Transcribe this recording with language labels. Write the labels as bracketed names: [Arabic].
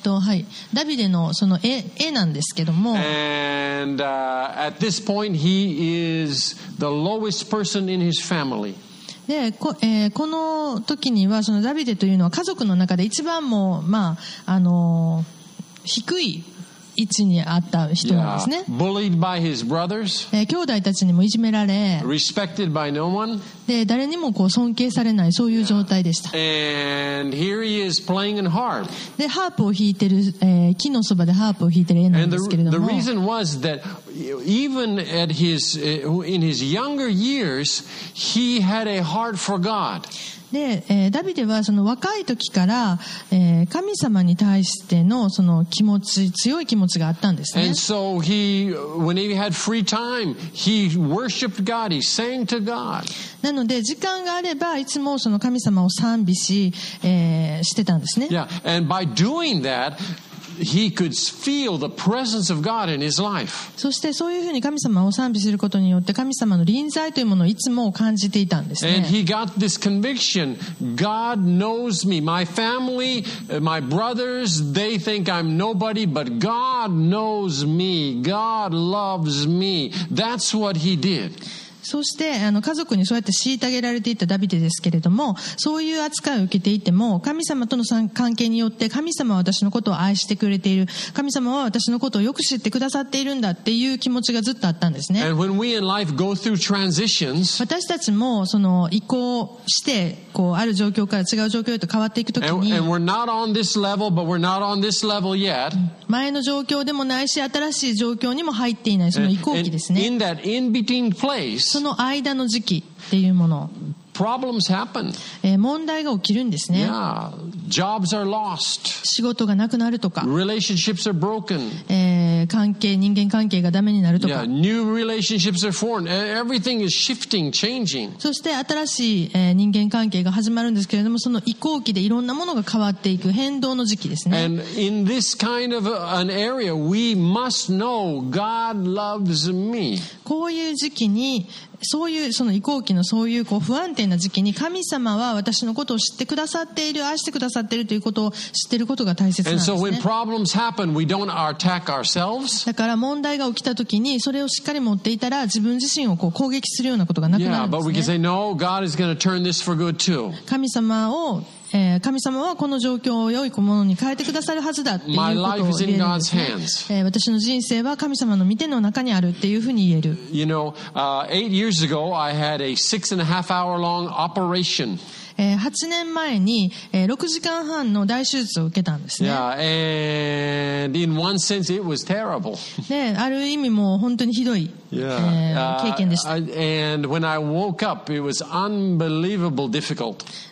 [Japanese] はい、ダビデのその絵なんですけども、 [English] and at this point he is the lowest person in his family. [Japanese] で この時にはそのダビデというのは家族の中で一番もまあ低い。位置にあった人なんですね。 [English] Yeah. Bullied by his brothers. [Japanese] 兄弟たちにもいじめられ、 [English] Respected by no one. [Japanese] で誰にもこう尊敬されない、そういう状態でした。 [English] Yeah. And here he is playing an harp. [Japanese] でハープを弾いてる、木のそばでハープを弾いてる絵なんですけれども、 [English] the reason was that even at his, in his younger years, he had a heart for God. [Japanese] でダビデはその若い時から、神様に対して その気持ち、強い気持ちがあったんですね。 [English] And so he, when he had free time, he worshipped God, he sang to God. [Japanese] なので時間があればいつもその神様を賛美し、してたんですね。 [English] Yeah, and by doing that,He could feel the presence of God in his life. [Japanese] そしてそういうふうに神様を賛美することによって神様の臨在というものをいつも感じていたんですね。 [English] And he got this conviction, God knows me. My family, my brothers, they think I'm nobody, but God knows me. God loves me. That's what he did. [Japanese] そして家族にそうやって虐げられていたダビデですけれども、そういう扱いを受けていても神様との関係によって神様は私のことを愛してくれている、神様は私のことをよく知ってくださっているんだっていう気持ちがずっとあったんですね。 [English] And when we in life go through transitions, [Japanese] 私たちもその移行してこうある状況から違う状況へと変わっていくときに、 [English] and we're not on this level, but we're not on this level yet. [Japanese] 前の状況でもないし新しい状況にも入っていないその移行期ですね。 [English] and in that in between place [Japanese] その間の時期っていうもの、 [English] Problems happen. [Japanese] 問題が起きるんですね。 [English] Yeah. jobs are lost. [Japanese] 仕事がなくなるとか。 [English] Relationships are broken. [Japanese] 関係、人間関係がダメになるとか。 [English] Yeah, new relationships are formed. Everything is shifting, changing. [Japanese] そして新しい、人間関係が始まるんですけれども、その移行期でいろんなものが変わっていく変動の時期ですね。 [English] And in this kind of an area, we must know God loves me. [Japanese] こういう時期に。そういうその移行期のそういう こう不安定な時期に神様は私のことを知ってくださっている愛してくださっているということを知っていることが大切なんですね。 [English] And so when problems happen, we don't attack ourselves. [Japanese] だから問題が起きた時にそれをしっかり持っていたら自分自身をこう攻撃するようなことがなくなるんですね。 [English] Yeah, but we can say, no, God is going to turn this for good too. [Japanese] 神様はこの状況を良いものに変えてくださるはずだっていうことを言えるんですね。私の人生は神様の御手の中にあるっていうふうに言える。 [English] You know, eight years ago, I had a six and a half hour long operation. [Japanese] 8年前に6時間半の大手術を受けたんですね。 [English] Yeah, and in one sense, it was terrible. [Japanese] ね、ある意味もう本当にひどい、経験でした。 [English] And when I woke up, it was unbelievable difficult.